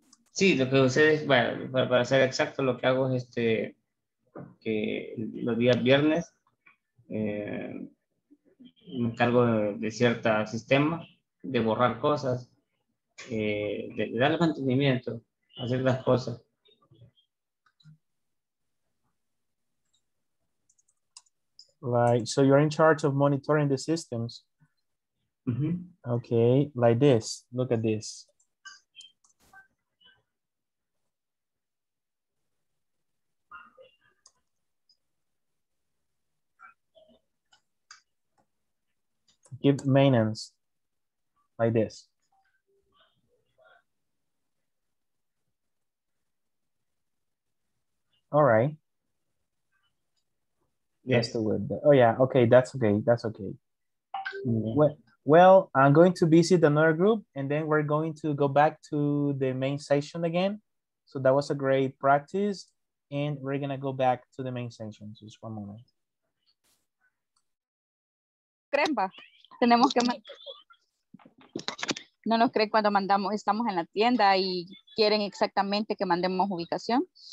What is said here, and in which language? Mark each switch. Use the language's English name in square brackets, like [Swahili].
[Spanish] Sí, lo que ustedes, bueno, para ser exacto, lo que hago es este, que los días viernes me encargo de cierto sistema, de borrar cosas, de darle mantenimiento, hacer las cosas. [English] Right, so you're in charge of monitoring the systems. Mm-hmm. Okay, like this, look at this. Give maintenance like this. All right. Yes. That's the word. Oh, yeah. Okay. That's okay. That's okay. Mm-hmm. Well, I'm going to visit another group and then we're going to go back to the main session again. So that was a great practice. And we're going to go back to the main session. Just one moment. Cremba. [Spanish] Tenemos que no nos creen cuando mandamos, estamos en la tienda y quieren exactamente que mandemos ubicación.